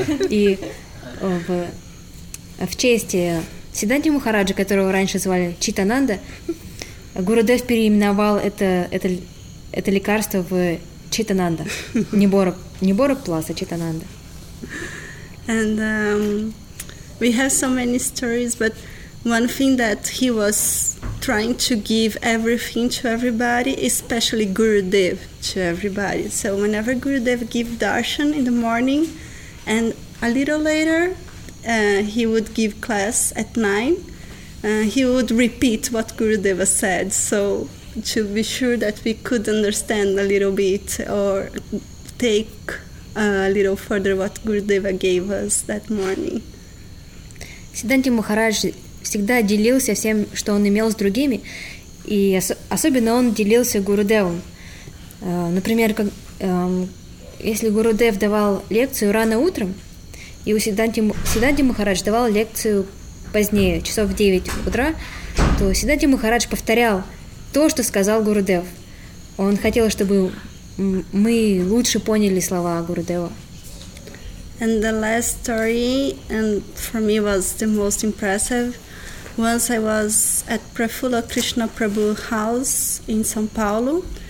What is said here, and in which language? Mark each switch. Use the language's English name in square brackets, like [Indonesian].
[Russian] И в честь Сиддханта Махараджа, которого раньше звали Читананда, Гурудев переименовал это лекарство в Читананда. Не Боропласс, а Читананда. [English] And we have so many stories, but one thing that he was trying to give everything to everybody, especially Gurudev to everybody. So whenever Gurudev give darshan in the morning, and a little later he would give class at 9, he would repeat what Gurudev said, so to be sure that we could understand a little bit or take a little further what Gurudeva gave us that morning. [Russian] Сиддханта Махарадж всегда делился всем, что он имел с другими, и особенно он делился Гурудевом. Например, если Гурудев давал лекцию рано утром, и у Сиддханта Махарадж давал лекцию позднее, часов в 9 утра, то Сиддханта Махарадж повторял то, что сказал Гурудев. Он хотел, чтобы мы лучше поняли слова Гурудева. [English] And the last story, and for me was the most impressive. Once I was at Prafulla Krishna Prabhu house in São Paulo.